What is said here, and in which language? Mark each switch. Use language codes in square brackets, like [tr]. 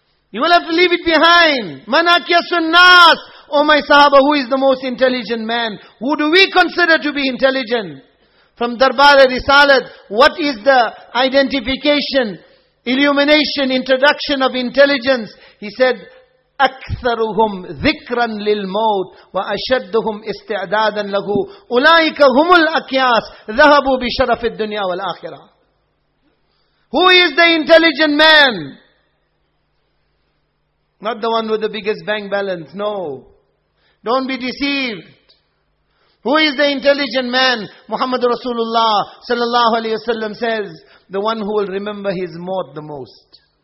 [en] You will have to leave it behind. Man akyasun nas? O my sahaba, who is the most intelligent man? Who do we consider to be intelligent? From Darbar-e Risalat, what is the identification, illumination, introduction of intelligence? [ar] He said, أكثرهم ذكرا للموت وأشدهم استعدادا له أولئك هم الأكياس ذهبوا بشرف الدنيا والآخرة. [en] Who is the intelligent man? Not the one with the biggest bank balance. No. Don't be deceived. Who is the intelligent man? Muhammad Rasulullah sallallahu alaihi wasallam says, the one who will remember his mort the most.